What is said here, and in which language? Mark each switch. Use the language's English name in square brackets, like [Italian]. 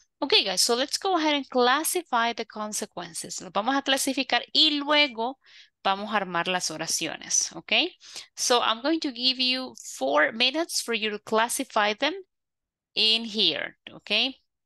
[English] Okay, guys, so let's go ahead and classify the consequences. [Spanish] Lo vamos a clasificar y luego vamos a armar las oraciones, okay? [English] So I'm going to give you 4 minutes for you to classify them in here, okay?